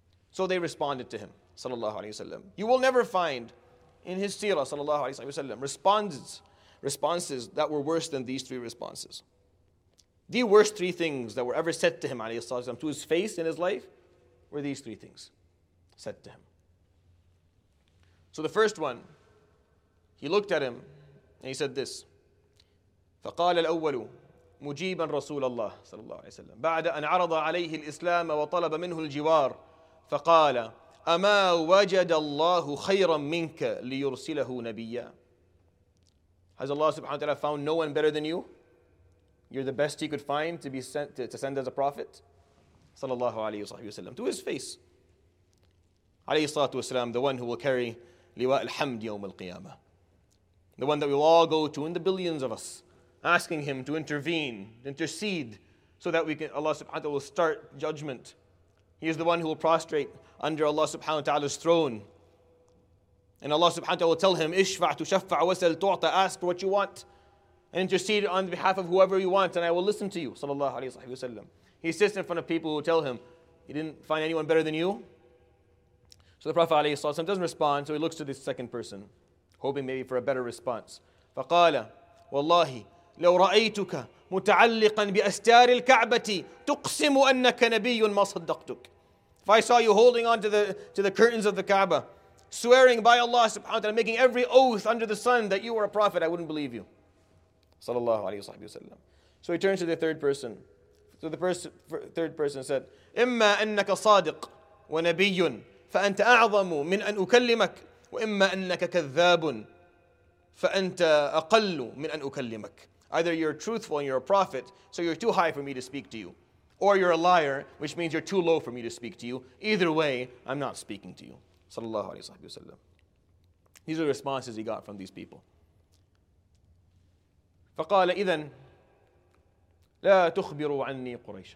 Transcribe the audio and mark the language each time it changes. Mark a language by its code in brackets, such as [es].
[en] So they responded to him, sallallahu alayhi wa sallam. You will never find in his seerah, sallallahu alayhi wa sallam, responses that were worse than these three responses. The worst three things that were ever said to him, alayhi wa sallam, to his face in his life, were these three things said to him. So the first one, he looked at him and he said this, [ar] فَقَالَ الْأَوَّلُ مجيبا رسول الله صلى الله عليه وسلم بعد أن عرض عليه الإسلام وطلب منه الجوار فقال أما وجد الله خيرا منك ليرسله نبيا. [en] Has Allah subhanahu wa ta'ala found no one better than you? You're the best he could find to be sent to send as a prophet, صلى الله عليه وسلم, to his face, عليه الصلاة والسلام, the one who will carry [ar] لواء الحمد يوم القيامة, [en] the one that we will all go to in the billions of us, asking him to intervene, intercede, so that we can, Allah subhanahu wa ta'ala will start judgment. He is the one who will prostrate under Allah subhanahu wa ta'ala's throne. And Allah subhanahu wa ta'ala will tell him, [ar] ishfa' tu shaffa' wa sal tu'ta, [en] ask for what you want, and intercede on behalf of whoever you want, and I will listen to you, sallallahu alayhi wa sallam. He sits in front of people who tell him, he didn't find anyone better than you. So the Prophet alayhi sallam doesn't respond, so he looks to this second person, hoping maybe for a better response. [ar] فَقَالَ وَاللَّهِ لو رأيتك متعلقا بأستار الكعبة تقسم أنك نبي ما صدقتك. [en] If I saw you holding on to the curtains of the Kaaba, swearing by Allah subhanahu wa ta'ala, making every oath under the sun that you were a prophet, I wouldn't believe you. Sallallahu alayhi wa sallam. So he turns to the third person. So the third person said, [ar] إما أنك صادق ونبي فأنت أعظم من أن أكلمك وإما أنك كذاب فأنت أقل من أن أكلمك. [en] Either you're truthful and you're a prophet, so you're too high for me to speak to you. Or you're a liar, which means you're too low for me to speak to you. Either way, I'm not speaking to you. Sallallahu alayhi wa sallam. These are the responses he got from these people. [ar] فَقَالَ إِذَنْ لَا تُخْبِرُوا عَنِّي قُرَيْشًا.